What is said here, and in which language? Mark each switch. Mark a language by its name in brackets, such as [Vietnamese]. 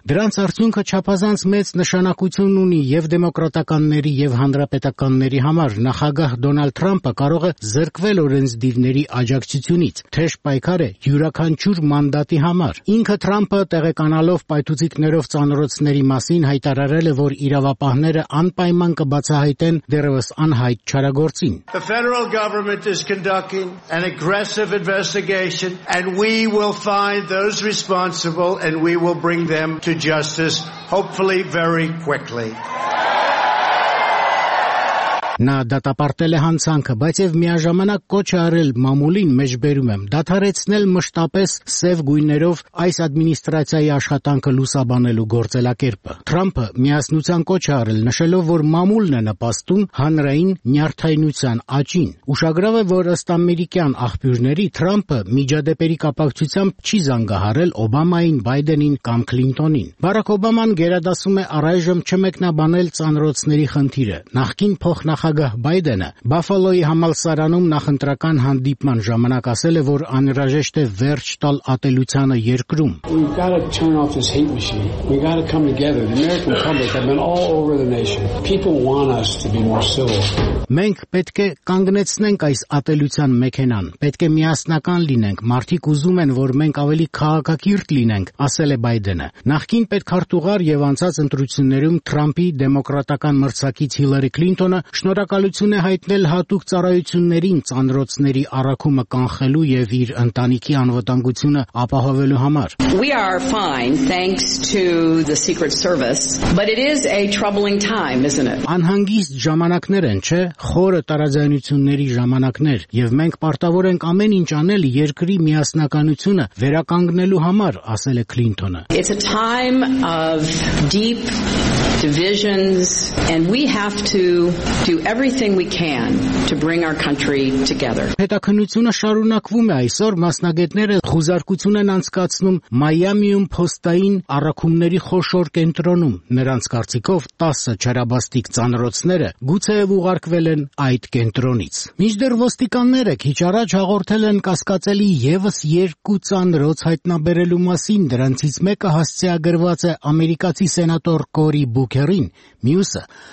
[Armenian] Դրանց արդյունքը չափազանց մեծ նշանակություն ունի և դեմոկրատականների, և հանրապետականների համար։ Նախագահ Դոնալդ Թրամփը կարող է զրկվել օրենսդիրների աջակցությունից, թեժ պայքար է յուրաքանչյուր մանդատի համար։ Ինքը Թրամփը, տեղեկանալով պայթուցիկներով ծանրոցների մասին, հայտարարել է, որ իրավապահները անպայման կբացահայտեն դեռևս անհայտ չարագործին։ [English] The federal government is conducting an aggressive investigation and we will find those responsible and we will bring them to justice hopefully very quickly. [Armenian] Նա դատապարտել է հանցանքը, բայց եւ միաժամանակ կոչ է արել մամուլին, մեջբերում եմ, դադարեցնել մշտապես սև գույներով այս ադմինիստրացիայի աշխատանքը լուսաբանելու գործելակերպը։ Թրամփը միասնության կոչ է արել, նշելով, որ մամուլն է նպաստում հանրային նյարդայնության աճին։ Ուշագրավ է, որ ըստ ամերիկյան աղբյուրների Թրամփը միջադեպերի կապակցությամբ չի զանգահարել Օբամային, Բայդենին կամ Քլինտոնին։ Բարակ Օբաման գերադասում է առայժմ չմեկնաբանել ծանրոցների խնդիրը, նախկին փոխնախագահ նախագահ Բայդենը Բաֆալոյի համալսարանում նախընտրական հանդիպման ժամանակ ասել է, որ անհրաժեշտ է վերջ տալ ատելությանը երկրում։ [English] We got to turn off this hate machine. We got to come together. The American public have been all over the nation. People want us to be more civil. [Armenian] Մենք պետք է կանգնեցնենք այս ատելության մեքենան։ Պետք է միասնական լինենք։ Մարդիկ ուզում են, որ մենք ավելի քաղաքակիրթ լինենք, ասել է Բայդենը։ Նախքին պետք հարթուղար եւ անցած ընտրություններում Թրամփի դեմոկրատական մրցակից Հիլարի Քլինտոնը շնորհակալություն է հայտնել հատուկ ծառայություններին ծանրոցների առաքումը կանխելու եւ իր ընտանիքի անվտանգությունը ապահովելու համար։ [English] We are fine thanks to the Secret Service, but it is a troubling time, isn't it? [Armenian] Անհանգիստ ժամանակներ են, չէ՞, խորը տարաձայնությունների ժամանակներ, եւ մենք պարտավոր ենք ամեն ինչ անել երկրի միասնականությունը վերականգնելու համար, ասել է Քլինտոնը։ [English] It's a time of deep divisions and we have to do everything we can to bring our country together. [Armenian] Հետաքննությունը շարունակվում է այսօր, մասնագետները խուզարկություն են անցկացնում Մայամիում փոստային առաքումների խոշոր կենտրոնում։ Նրանց կարծիքով 10 չարաբաստիկ ծանրոցները գուցե եւ ուղարկվել են այդ կենտրոնից։ Մինչդեռ ոստիկանները քիչ առաջ հաղորդել են կասկածելի եւս 2 ծանրոց հայտնաբերելու մասին, դրանցից մեկը հասցեագրված է ամերիկացի սենատոր Կորի Բուքերին, մյուսը